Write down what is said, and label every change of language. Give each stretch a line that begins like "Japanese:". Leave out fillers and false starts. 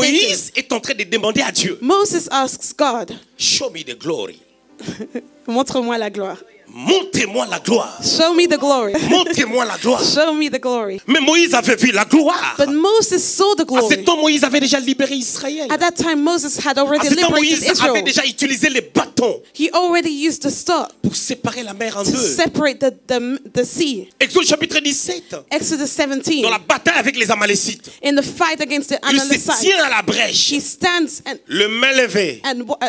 French: Moïse est en train de demander à Dieu,
English: Moses asks God, show me the glory.
French: Montre-moi la gloire. Montrez-moi la gloire.
English: Show me the glory.
French: Montrez-moi la gloire.
English: Show me the glory.
French: Mais Moïse avait vu la gloire.
English: But Moses saw the glory.
French: À cet temps, Moïse avait déjà libéré Israël.
English: At that time, Moses had already liberated Israel.
French: À cet temps, Moïse avait déjà utilisé les bâtons.
English: He already used the staff.
French: Pour séparer la mer en deux.
English: To separate the sea.
French: Exode chapitre 17.
English: Exodus 17.
French: Dans la bataille avec les Amalécites.
English: In the fight against the Amalekites.
French: Il se tient à la brèche.
English: He stands and.
French: Le main levé.
English: And